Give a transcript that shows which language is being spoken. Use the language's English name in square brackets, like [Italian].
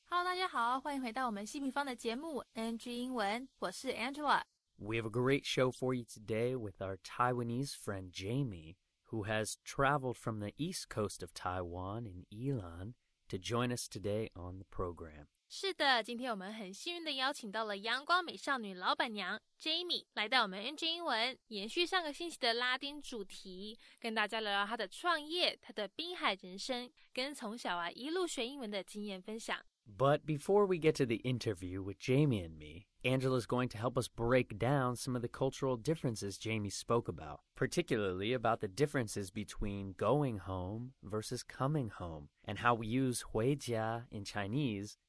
[English] Hello, [Chinese] 大家好，欢迎回到我们新平方的节目 NG Ingwen. 我是 Angela. [English] We have a great show for you today with our Taiwanese friend Jamie, who has traveled from the east coast of Taiwan in Yilan to join us today on the program. [Chinese] 是的，今天我们很幸运地邀请到了阳光美少女老板娘 Jamie 来到我们 NG 英文，延续上个星期的拉丁主题，跟大家聊聊她的创业、她的滨海人生，跟从小啊一路学英文的经验分享。 [English] But before we get to the interview with Jamie and me, Angela is going to help us break down some of the cultural differences Jamie spoke about, particularly about the differences between going home versus coming home, and how we use 回家 in Chinese.